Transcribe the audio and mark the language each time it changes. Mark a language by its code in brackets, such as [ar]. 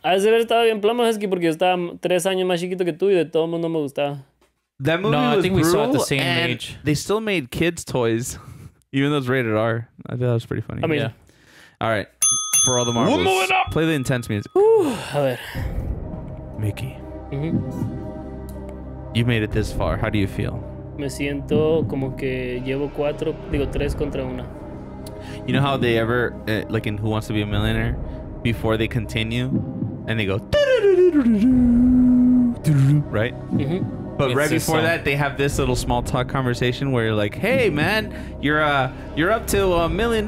[es] Has de haber estado bien plomo, Husky, porque yo estaba 3 años más chiquito que tú y de todo el mundo me gustaba. [en] That movie no, was I think brutal, we saw it the same age. They still made kids' toys, even though it's rated R. I thought that was pretty funny. I mean, yeah. All right. For all the marbles, we're moving up. Play the intense music. [es] Ooh, a ver. [en] Mickey. Mm-hmm. You made it this far. How do you feel? [es] Me siento como que llevo cuatro, digo tres contra una. [en] You know how they ever, like in Who Wants to Be a Millionaire, before they continue, and they go, right? Mm-hmm. But it's right before that, they have this little small talk conversation where you're like, hey, man, you're up to $1 million.